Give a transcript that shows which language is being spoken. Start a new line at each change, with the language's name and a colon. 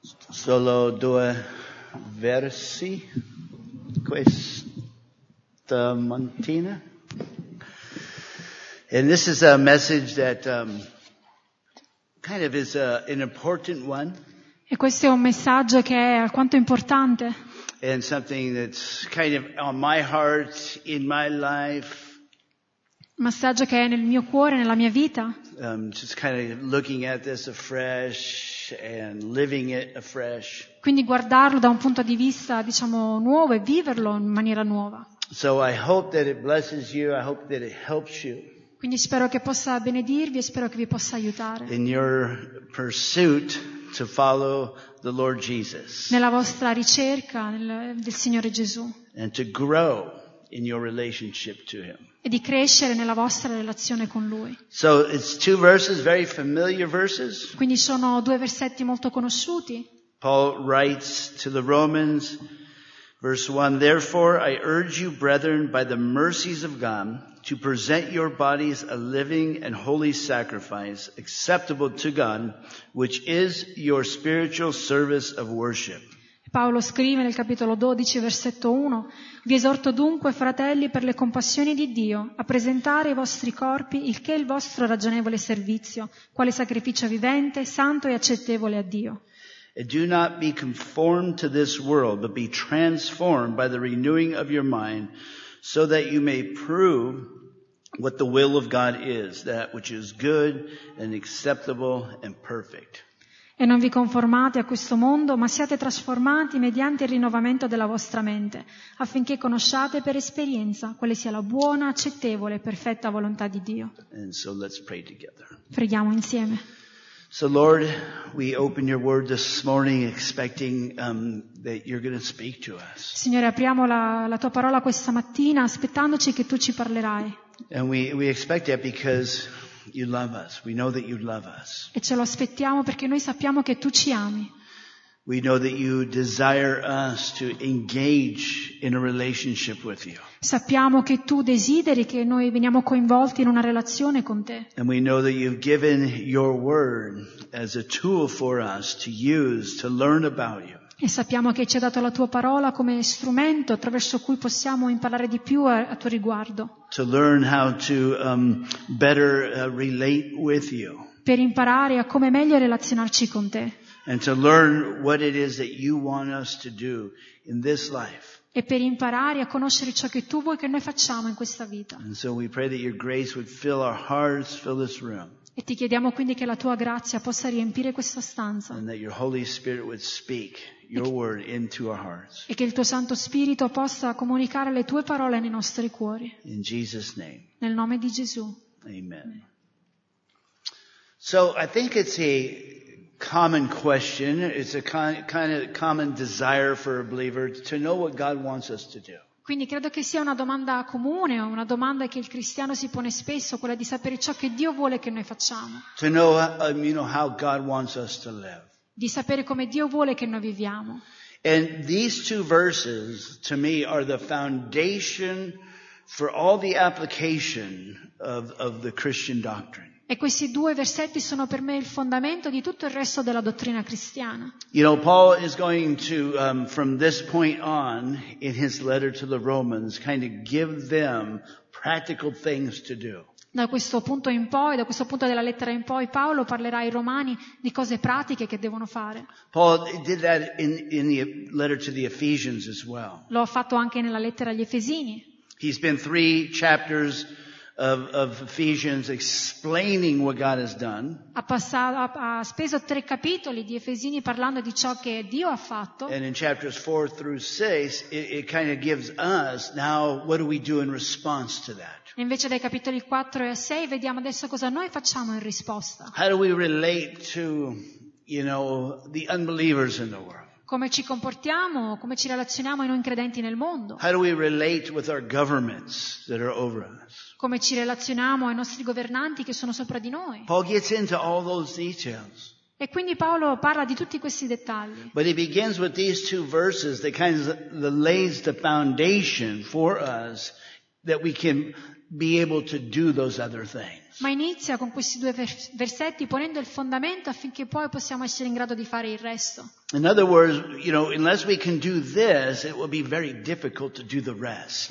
Italian: Solo due versi questa mattina.
English: And this is a message that kind of is an important one.
Italian: E questo è un messaggio che è alquanto importante.
English: And something that's kind of on my heart, in my life.
Italian: Massaggio che è nel mio cuore, nella mia vita.
English: Just kind of looking at this afresh and living it afresh.
Italian: Quindi guardarlo da un punto di vista, diciamo, nuovo e viverlo in maniera nuova.
English: So I hope that it blesses you, I hope that it helps you.
Italian: Quindi spero che possa benedirvi e spero che vi possa aiutare.
English: In your pursuit to follow the Lord Jesus.
Italian: Nella vostra ricerca del Signore Gesù.
English: And to grow in your relationship to him.
Italian: E di crescere nella vostra relazione con lui.
English: So it's two verses, very familiar verses.
Italian: Quindi sono due versetti molto conosciuti.
English: Paul writes to the Romans, verse 1, therefore I urge you, brethren, by the mercies of God, to present your bodies a living and holy sacrifice acceptable to God, which is your spiritual service of worship.
Italian: Paolo scrive nel capitolo 12, versetto 1, vi esorto dunque, fratelli, per le compassioni di Dio, a presentare i vostri corpi, il che è il vostro ragionevole servizio, quale sacrificio vivente, santo e accettevole a Dio.
English: And do not be conformed to this world, but be transformed by the renewing of your mind, so that you may prove what the will of God is, that which is good and acceptable and perfect.
Italian: E non vi conformate a questo mondo, ma siate trasformati mediante il rinnovamento della vostra mente, affinché conosciate per esperienza quale sia la buona, accettevole e perfetta volontà di Dio.
English: And so let's pray together.
Italian: Preghiamo insieme.
English: So Lord, we open your word this morning expecting that you're going to speak to us.
Italian: Signore, apriamo la tua parola questa mattina aspettandoci che tu ci parlerai.
English: And we expect that because you love us. We know that you love us.
Italian: E ce lo aspettiamo perché noi sappiamo che tu ci ami.
English: We know that you desire us to engage in a relationship with you.
Italian: Sappiamo che tu desideri che noi veniamo coinvolti in una relazione con te.
English: And we know that you've given your word as a tool for us to use to learn about you.
Italian: E sappiamo che ci ha dato la tua parola come strumento attraverso cui possiamo imparare di più a tuo riguardo.
English: To learn how to better relate with you.
Italian: Per imparare a come meglio relazionarci con te.
English: And to learn what it is that you want us to do in this life.
Italian: E per imparare a conoscere ciò che tu vuoi che noi facciamo in questa vita.
English: And so we pray that your grace would fill our hearts, fill this room.
Italian: E ti chiediamo quindi che la tua grazia possa riempire questa stanza.
English: And that your Holy Spirit would speak your word into our hearts.
Italian: E che il tuo Santo Spirito possa comunicare le tue parole nei nostri cuori.
English: In Jesus' name.
Italian: Nel nome di Gesù. Amen.
English: So I think it's a common question, it's a kind of common desire for a believer to know what God wants us to do.
Italian: Quindi credo che sia una domanda comune, una domanda che il cristiano si pone spesso, quella di sapere ciò che Dio vuole che noi facciamo.
English: To know, you know, how God wants us to live.
Italian: Di sapere come Dio vuole che noi viviamo.
English: And these two verses, to me, are the foundation for all the application of the Christian doctrine.
Italian: E questi due versetti sono per me il fondamento di tutto il resto della dottrina cristiana.
English: You know, Paul is going to, from this point on, in his letter to the Romans, kind of give them practical things to do.
Italian: Da questo punto in poi, da questo punto della lettera in poi, Paolo parlerà ai Romani di cose pratiche che devono fare.
English: Paul did that in the letter to the Ephesians as well.
Italian: Lo ha fatto anche nella lettera agli Efesini.
English: He's been three chapters of Ephesians explaining what God has done.
Italian: Ha speso tre capitoli di Efesini parlando di ciò che Dio ha fatto.
English: And in chapters 4 through 6 it kind of gives us now what do we do in response to that?
Italian: Invece dai capitoli 4 e 6 vediamo adesso cosa noi facciamo in risposta.
English: How do we relate to, you know, the unbelievers in the world?
Italian: Come ci comportiamo, come ci relazioniamo ai non credenti nel mondo?
English: How do we relate with our governments that are over us?
Italian: Come ci relazioniamo ai nostri governanti che sono sopra di noi?
English: Paul gets into all those details.
Italian: E quindi Paolo parla di tutti questi dettagli.
English: But he begins with these two verses that kind of lays the foundation for us that we can be able to do those other things.
Italian: Ma inizia con questi due versetti ponendo il fondamento affinché poi possiamo essere in grado di fare il resto.
English: In other words, you know, unless we can do this, it will be very difficult to do the rest.